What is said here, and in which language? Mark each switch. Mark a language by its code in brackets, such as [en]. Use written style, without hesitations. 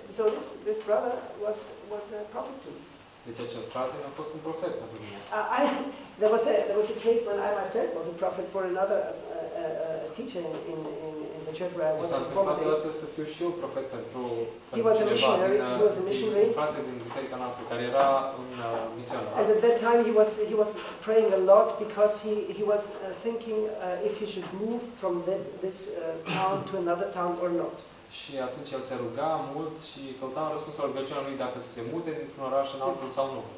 [en] So this brother was a prophet to me. [ro] Deci acel frate a fost un profet pentru mine. [en] There was a case when I myself was a prophet for another a teacher in the church where I was in former days. [ro] Să fiu și eu profet pentru [en] he was a missionary. [ro] Frate din biserica noastră care era un misionar. [en] And at that time he was praying a lot because he was thinking if he should move from this town to another town or not. [ro] Și atunci el se ruga mult și căuta un răspuns la rugăciunea lui dacă se mute dintr-un oraș în altul sau nu.